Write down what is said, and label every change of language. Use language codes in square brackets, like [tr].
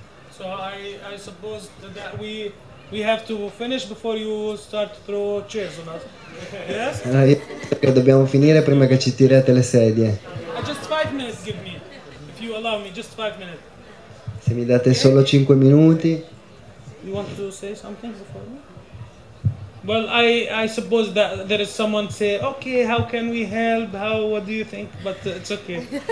[en] So I suppose that we have to finish before you start to throw chairs on us. Yes? [it] Che dobbiamo finire prima che ci tirate le sedie. [en] Just 5 minutes, give me, if you allow me, just 5 minutes. [it] Se mi date solo 5 minuti. [en] You want to say something before me? Well, I suppose that there is someone say, okay, how can we help? What do you think? But it's okay.